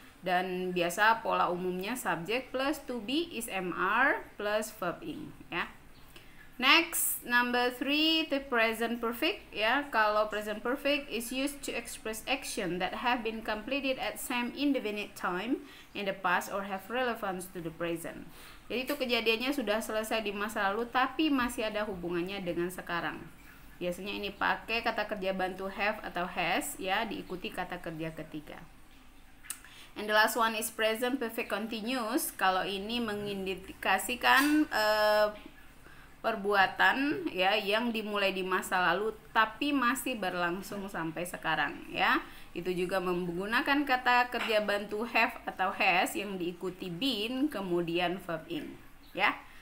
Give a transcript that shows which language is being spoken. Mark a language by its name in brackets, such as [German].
[Indonesian] Dan biasa pola umumnya subject plus to be is MR plus verb ing, ya. [English] Next, number three, the present perfect, ya. Kalau present perfect is used to express action that have been completed at same indefinite time in the past or have relevance to the present. [Indonesian] Jadi itu kejadiannya sudah selesai di masa lalu tapi masih ada hubungannya dengan sekarang. Biasanya ini pakai kata kerja bantu have atau has, ya, diikuti kata kerja ketiga. [English] And the last one is present perfect continuous. [Indonesian] Kalau ini mengindikasikan perbuatan, ya, yang dimulai di masa lalu tapi masih berlangsung sampai sekarang, ya. Itu juga menggunakan kata kerja bantu have atau has yang diikuti been kemudian verb ing, ya.